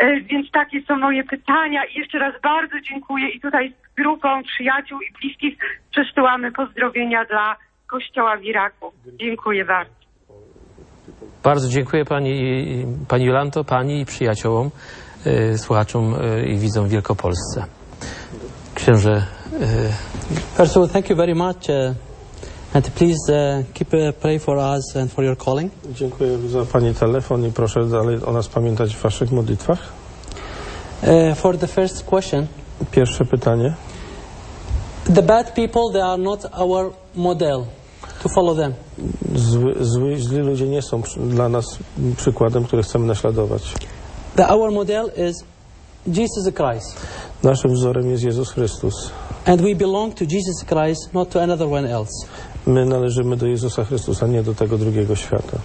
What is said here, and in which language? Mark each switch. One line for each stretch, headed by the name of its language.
Polish: Więc takie są moje pytania i jeszcze raz bardzo dziękuję i tutaj z grupą przyjaciół i bliskich przesyłamy pozdrowienia dla Kościoła w Iraku. Dziękuję bardzo. Bardzo dziękuję pani Jolanto, pani i przyjaciołom, słuchaczom i widzom w Wielkopolsce. Księże.
English: First of all, thank you very much. And please keep pray for us and for your calling.
Polish: Dziękuję za pani telefon i proszę dalej o nas pamiętać w waszych modlitwach.
English: For the first question.
Polish: Pierwsze pytanie.
English: The bad people, they are not our model. To follow them.
Polish: Źli ludzie nie są dla nas przykładem, który chcemy naśladować.
English: Our model is Jesus Christ.
Polish: Naszym wzorem jest Jezus Chrystus.
English: And we belong to Jesus Christ, not to another one else.
Polish: My należymy do Jezusa Chrystusa, nie do tego drugiego świata.